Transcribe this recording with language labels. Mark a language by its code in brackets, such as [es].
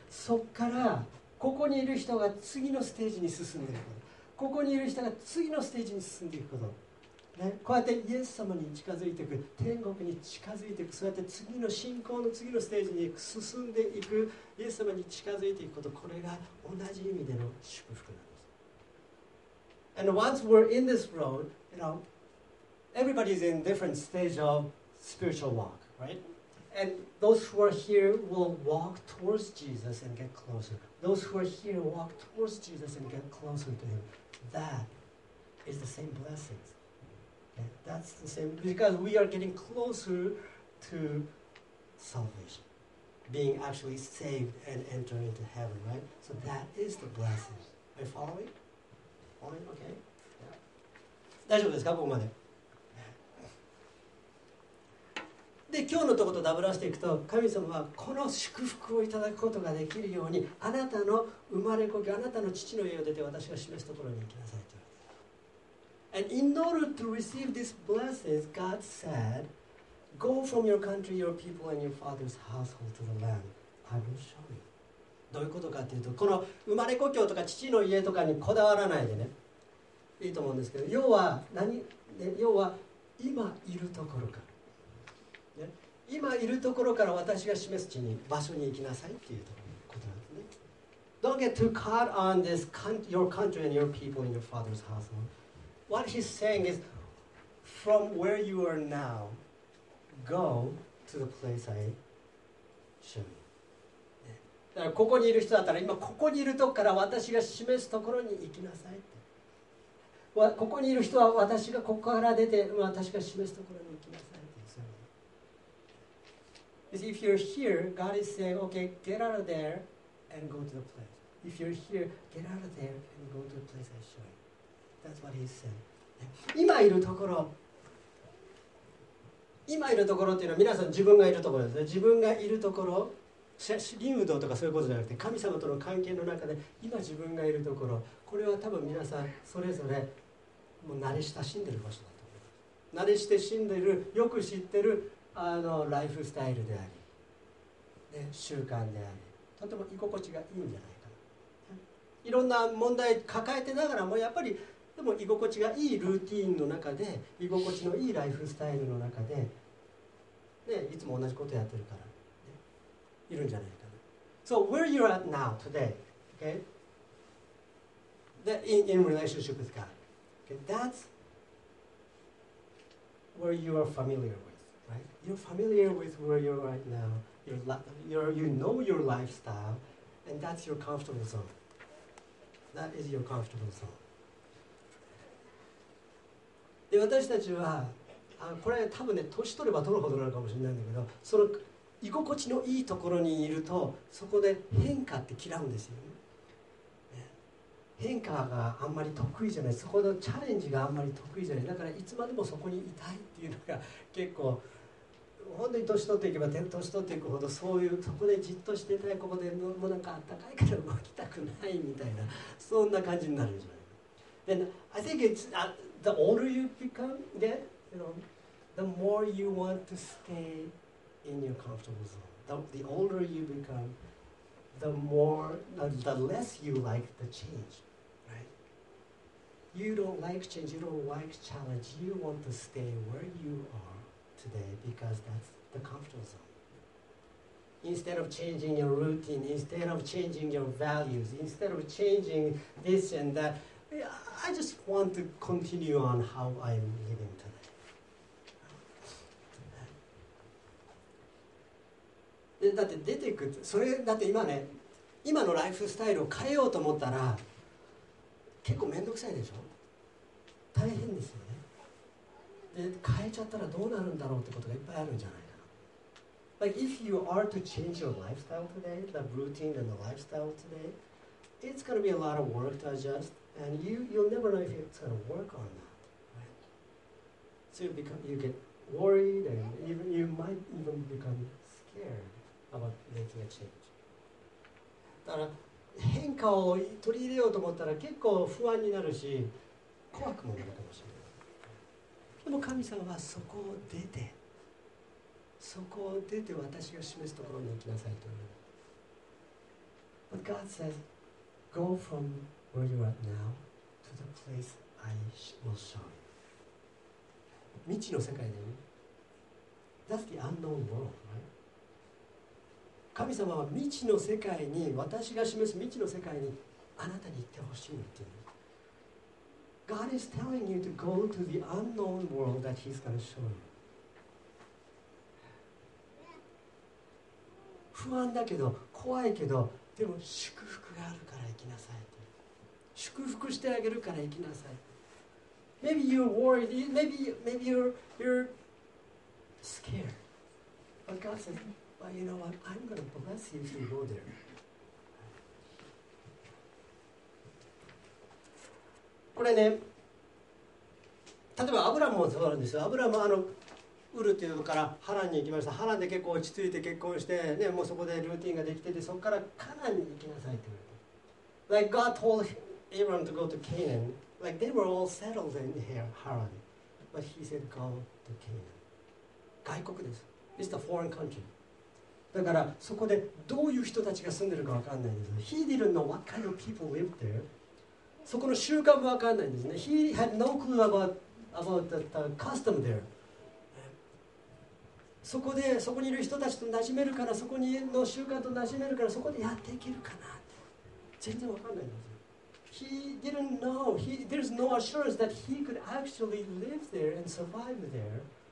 [ja] そっからここにいる人が次のステージに進んでいくこと。ここにいる人が次のステージに進んでいくこと。ね、こうやってイエス様に近づいていく、天国に近づいていく、そうやって次の信仰の次のステージに進んでいく、イエス様に近づいていくこと、これが同じ意味での祝福なんです。 [en] And once we're in this road, you know, everybody's in different stage of spiritual walk, right? And those who are here will walk towards Jesus and get closer. Those who are here walk towards Jesus and get closer to Him. That is the same blessing. Okay? That's the same, because we are getting closer to salvation, being actually saved and entering into heaven, right? So that is the blessing. Are you following? [ja] Okay. 大丈夫ですか、ここまで。で、今日のところとダブらせていくと、神様はこの祝福をいただくことができるように、あなたの生まれ故郷、あなたの父の家を出て私が示すところに行きなさいと。 [en] And in order to receive these blessings, God said, Go from your country, your people, and your father's household to the land. I will show you. [ja] どういうことかというと、この生まれ故郷とか父の家とかにこだわらないでね、いいと思うんですけど、要は何、ね、要は今いるところから、ね、今いるところから私が示す地に、場所に行きなさいっていうことなんですね。 [en] Don't get too caught on this your country and your people and your father's household. What he's saying is, from where you are now, go to the place I show you. [ja] だからここにいる人だったら今ここにいるとこから私が示すところに行きなさいって。ここにいる人は私がここから出て私が示すところに行きなさいって。 [en] If you're here, God is saying, okay, get out of there and go to the place. If you're here, get out of there and go to the place I show you. That's what he's saying. [ja] 今いるところ。今いるところっていうのは皆さん自分がいるところですね。自分がいるところ。臨武道とかそういうことじゃなくて、神様との関係の中で今自分がいるところ、これは多分皆さんそれぞれもう慣れ親しんでる場所だと思います。慣れ親しんでる、よく知ってるあのライフスタイルであり、ね、習慣であり、とても居心地がいいんじゃないかな。いろんな問題抱えてながらも、やっぱりでも居心地がいいルーティーンの中で、居心地のいいライフスタイルの中で、ね、いつも同じことやってるからいるんじゃないかな。 [en] So where you're at now today, okay? That in relationship with God, okay? That's where you are familiar with, right? You're familiar with where you're right now. You know your lifestyle, and that's your comfortable zone. That is your comfortable zone. [ja] で、私たちは、これ多分ね、年取れば取るほどなのかもしれないんだけど、その居心地のいいところにいると、そこで変化って嫌うんですよ、ね。変化があんまり得意じゃない、そこのチャレンジがあんまり得意じゃない。だからいつまでもそこにいたいっていうのが結構、本当に年取っていけば年取っていくほど、そういうそこでじっとしていたい、ここでもうなんかあったかいから動きたくないみたいな、そんな感じになるんじゃないか。 [en] And I think it's the older you become, yeah, you know, the more you want to stay in your comfortable zone. The older you become, the more, the less you like the change, right? You don't like change, you don't like challenge, you want to stay where you are. Today, because that's the comfortable zone. Instead of changing your routine, instead of changing your values, instead of changing this and that, I just want to continue on how I'm living today. [ja] だって出てくる、それだって今ね、今のライフスタイルを変えようと思ったら、結構面倒くさいでしょ。大変ですよね。で変えちゃったらどうなるんだろうってことがいっぱいあるんじゃないかな。 [en] Like if you are to change your lifestyle today, the routine and the lifestyle today, it's going to be a lot of work to adjust, and you'll never know if it's going to work or not. Right? So you get worried, and you might even become scared about making a change. [ja] だから変化を取り入れようと思ったら結構不安になるし、怖くもなるかもしれない。でも神様はそこを出て、そこを出て私が示すところに行きなさいと言う。 [en] But God says, go from where you are now to the place I will show you. [ja] 未知の世界でね。 [en] That's the unknown world, right? [ja] 神様は未知の世界に、私が示す未知の世界にあなたに行ってほしいっていう。 [en] God is telling you to go to the unknown world that He's going to show you. [ja] 不安だけど、怖いけど、でも祝福があるから行きなさい。祝福してあげるから行きなさい。 [en] Maybe you're worried, maybe you're scared. But God says, well, you know what, I'm going to bless you if you go there. [ja] これね、例えばアブラムもそうなんですよ。アブラムはウルというところからハランに行きました。ハランで結構落ち着いて結婚して、ね、もうそこでルーティンができてて、そこからカナンに行きなさいって言われて。 [en] Like God told Abram to go to Canaan. Like they were all settled in Haran. But he said go to Canaan. [ja] 外国です。 [en] It's a foreign country. [ja] だからそこでどういう人たちが住んでるか分かんないです。 [en] He didn't know what kind of people lived there. [ja] そこの習慣もわかんないんですね。 [en] He had no clue about the custom there. [ja] そこで、そこにいる人たちと馴染めるかな、そこにの習慣と馴染めるから、そこでやっていけるかなって。全然わかんないんですよ。 [en] He didn't know, there's no assurance that he could actually live there and survive there.